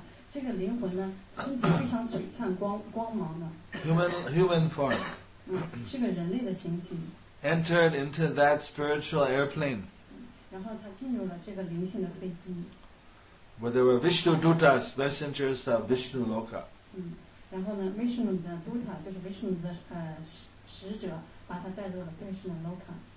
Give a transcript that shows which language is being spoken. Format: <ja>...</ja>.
<zh>这个灵魂呢，身体非常璀璨光芒的。</zh> <en>Human form.</en> <zh>是个人类的形体。</zh> <en>Entered into that spiritual airplane.</en> <zh>然后他进入了这个灵性的飞机。</zh> <en>Where there were Vishnu Dutas, messengers of Vishnu Loka.</en> <zh>然后呢 ，Vishnu 的 Dutta 就是 Vishnu 的使者，把他带入了 Vishnu Loka。</zh>